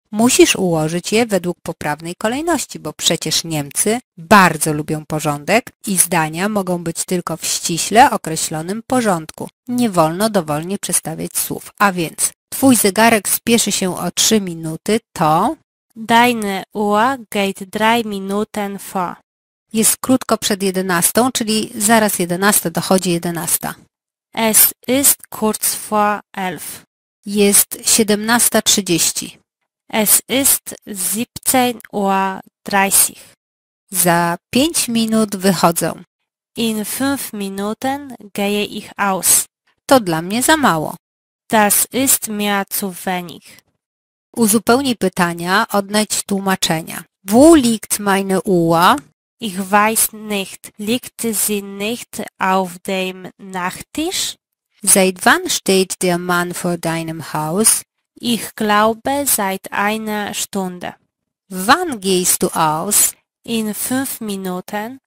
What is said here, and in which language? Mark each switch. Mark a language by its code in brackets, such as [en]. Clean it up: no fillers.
[pl] Musisz ułożyć je według poprawnej kolejności, bo przecież Niemcy bardzo lubią porządek i zdania mogą być tylko w ściśle określonym porządku. Nie wolno dowolnie przestawiać słów. A więc, twój zegarek spieszy się o 3 minuty, to... [de] Deine Uhr geht 3 Minuten vor. [pl] Jest krótko przed 11, czyli zaraz 11, dochodzi 11. [de] Es ist kurz vor 11. [pl] Jest 17.30. [de] Es ist 17.30. [pl] Za 5 minut wychodzę. [de] In 5 Minuten gehe ich aus. [pl] To dla mnie za mało. [de] Das ist mir zu wenig. [pl] Uzupełnij pytania, odnajdź tłumaczenia. [de] Wo liegt meine Uhr? Ich weiß nicht. Liegt sie nicht auf dem Nachttisch? Seit wann steht der Mann vor deinem Haus? Ich glaube, seit einer Stunde. Wann gehst du aus? In 5 Minuten.